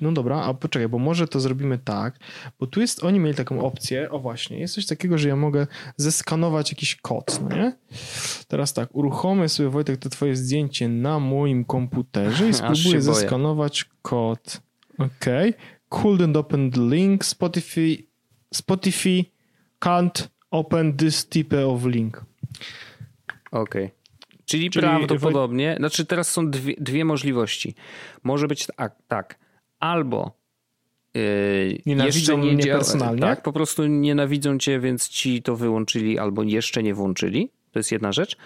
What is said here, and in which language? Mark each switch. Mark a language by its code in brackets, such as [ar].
[pl] No dobra, a poczekaj, bo może to zrobimy tak, bo tu jest, oni mieli taką opcję, o właśnie, jest coś takiego, że ja mogę zeskanować jakiś kod, no nie? Teraz tak, uruchomię sobie, Wojtek, to twoje zdjęcie na moim komputerze i spróbuję zeskanować kod. Okej. Okay. [en] Couldn't open the link, Spotify can't open this type of link. [pl] Okej. Okay. Czyli prawdopodobnie, znaczy teraz są dwie możliwości. Może być tak. Albo nienawidzą mnie personalnie. Tak, po prostu nienawidzą cię, więc ci to wyłączyli albo jeszcze nie włączyli. To jest jedna rzecz.